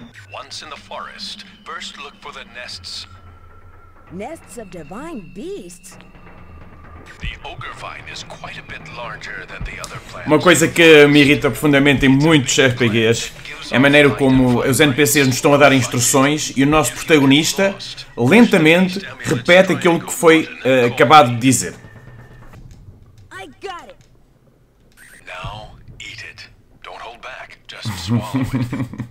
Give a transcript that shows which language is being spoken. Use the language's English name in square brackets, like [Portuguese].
[English] Once in the forest, first look for the nests. Nests of divine beasts? The ogre vine is quite a bit larger than the other plants. [Portuguese] Uma coisa que me irrita profundamente em muitos RPGs é a maneira como os NPCs nos estão a dar instruções e o nosso protagonista lentamente repete aquilo que foi acabado de dizer. [English] I got it. Now eat it. Don't hold back, just swallow it.